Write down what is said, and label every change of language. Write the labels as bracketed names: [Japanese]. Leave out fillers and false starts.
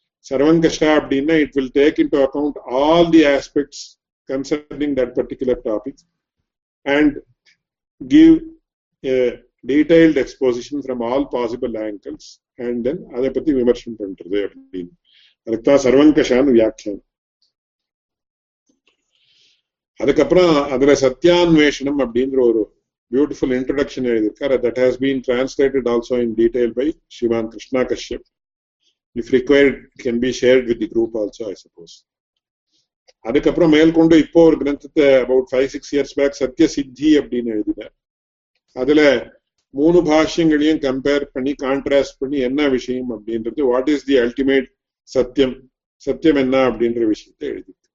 [Tamil] சர்வங்கஷா அப்படின்னா [English] it will take into account all the aspects concerning that particular topic and give detailed exposition from all possible angles and then [Tamil] அதை பத்தி விமர்சனம் பண்றது அப்படின்னு, அதுக்கு தான் சர்வங்கஷான்னு வியாக்கியம். அதுக்கப்புறம் அதுல சத்தியான்வேஷனம் அப்படின்ற ஒரு பியூட்டிஃபுல் இன்ட்ரடக்ஷன் எழுதியிருக்காரு, [English] That has been translated also in detail by Shriman Krishna Kashyap. If required, can be shared with the group also, I suppose. [Tamil] அதுக்கப்புறம் மேல்கொண்டு இப்போ ஒரு கிரந்தத்தை [English] about 5-6 years back [Tamil] சத்திய சித்தி அப்படின்னு எழுதினார். அதுல மூணு பாஷ்யங்களையும் கம்பேர் பண்ணி கான்ட்ராஸ்ட் பண்ணி என்ன விஷயம் அப்படின்றது, [English] what is the ultimate சத்தியம், [Tamil] சத்தியம் என்ன அப்படின்ற விஷயத்த எழுதிருக்கு.